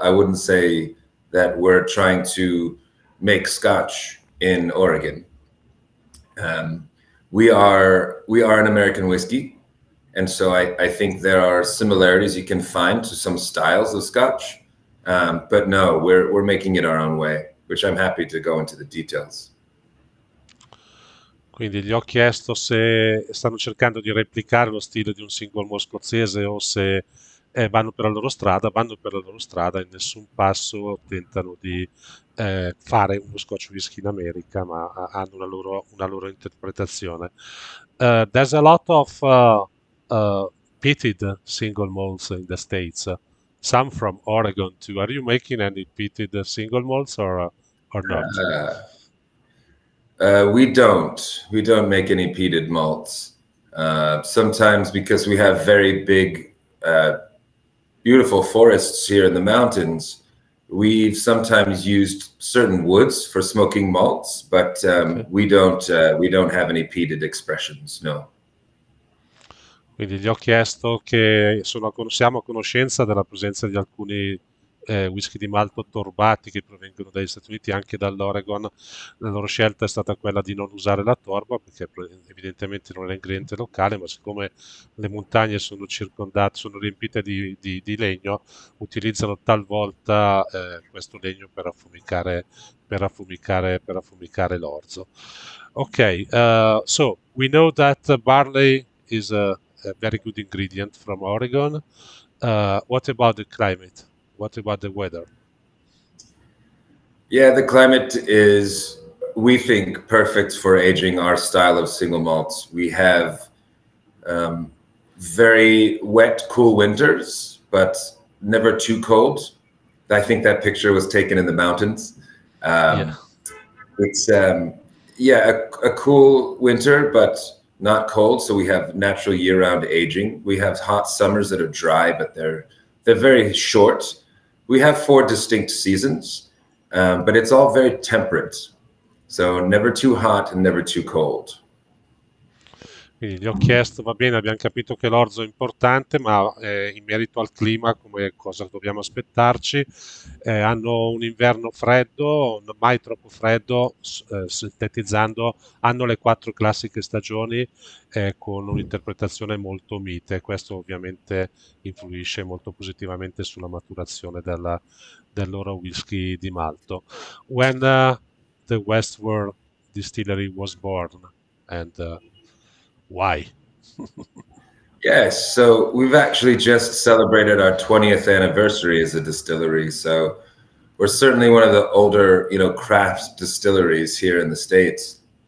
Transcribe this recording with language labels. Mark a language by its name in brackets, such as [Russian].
[English] I wouldn't say that we're trying to make scotch in Oregon. We are an American whiskey, and so I think there are similarities you can find to some styles of scotch. But no, we're making it our own way, which I'm happy to go into the details. [Italian] Quindi gli ho chiesto se stanno cercando di replicare lo stile di un single malt scozzese o se vanno per la loro strada. Vanno per la loro strada e in nessun passo tentano di fare uno Scotch whisky in America, ma hanno una loro interpretazione. [English] There's a lot of peated single malts in the States, some from Oregon too. Are you making any peated single malts or not? We don't make any peated malts. Sometimes because we have very big, beautiful forests here in the mountains, we've sometimes used certain woods for smoking malts, but we don't have any peated expressions, no. [Italian] Quindi gli ho chiesto che siamo a conoscenza della presenza di alcuni whisky di malto torbati che provengono dagli Stati Uniti, anche dall'Oregon. La loro scelta è stata quella di non usare la torba, perché evidentemente non è l'ingrediente locale, ma siccome le montagne sono circondate, sono riempite di legno, utilizzano talvolta questo legno per affumicare l'orzo. [English] Ok, so we know that barley is a very good ingredient from Oregon. What about the climate? What about the weather? Yeah, the climate is, we think, perfect for aging our style of single malts. We have very wet, cool winters, but never too cold. I think that picture was taken in the mountains. A cool winter, but not cold. So we have natural year-round aging. We have hot summers that are dry, but they're very short. We have four distinct seasons, but it's all very temperate. So never too hot and never too cold. [Italian] Quindi gli ho chiesto, va bene, abbiamo capito che l'orzo è importante, ma in merito al clima, come cosa dobbiamo aspettarci? Hanno un inverno freddo, mai troppo freddo, sintetizzando, hanno le quattro classiche stagioni con un'interpretazione molto mite. Questo ovviamente influisce molto positivamente sulla maturazione del loro whisky di malto. [English] When the Westward Distillery was born and why? Yes, so we've actually just celebrated our 20th anniversary as a distillery. So we're certainly one of the older, craft distilleries here in the States.